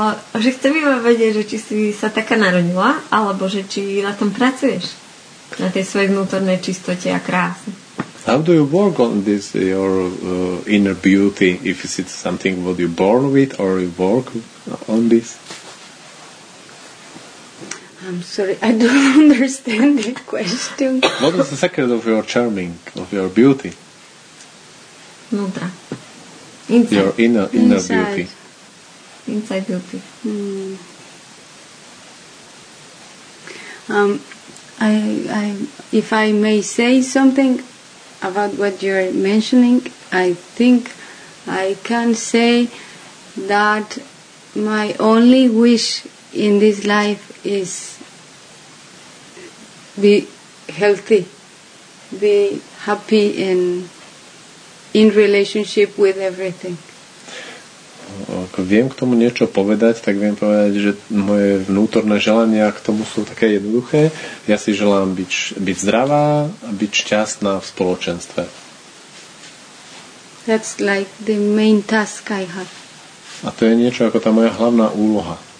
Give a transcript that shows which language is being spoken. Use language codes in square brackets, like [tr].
[sk] Že chcem iba vedieť, že či si sa taká narodila, alebo že či na tom pracuješ, na tej svojej vnútornej čistote a kráse. [en] How do you work on this, your inner beauty, if it's something what you're born with, or you work on this? I'm sorry, I don't understand the question. What is the secret of your charming, of your beauty? Mudra. Inside. Your inner inside. Beauty. Inside beauty. Hmm. If I may say something about what you're mentioning, I think I can say that my only wish in this life is be healthy, be happy in relationship with everything. [sk] Ak viem k tomu niečo povedať, tak viem povedať, že moje vnútorné želania k tomu sú také jednoduché. Ja si želám byť zdravá a byť šťastná v spoločenstve. [en] That's like the main task I have. [sk] A to je niečo ako tá moja hlavná úloha.